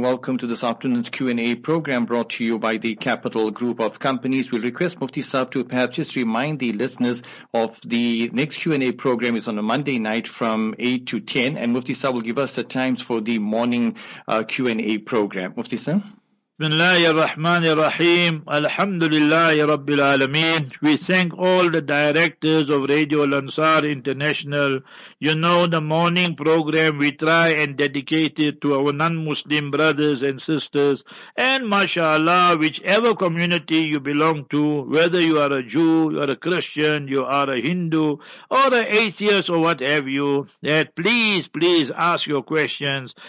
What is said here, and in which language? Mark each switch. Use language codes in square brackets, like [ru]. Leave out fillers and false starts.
[en] Welcome to this afternoon's Q&A program brought to you by the Capital Group of Companies. We request Mufti Saab to perhaps just remind the listeners of the next Q&A program is on a Monday night from 8 to 10. And Mufti Saab will give us the times for the morning Q&A program. Mufti Saab? [ar] بسم الله الرحمن الرحيم الحمد لله رب العالمين. [en] We thank all the directors of Radio Al-Ansar International. You know, the morning program, we try and dedicate it to our non-Muslim brothers and sisters. And mashallah, whichever community you belong to, whether you are a Jew, you are a Christian, you are a Hindu, or an atheist or what have you, that please, please ask your questions.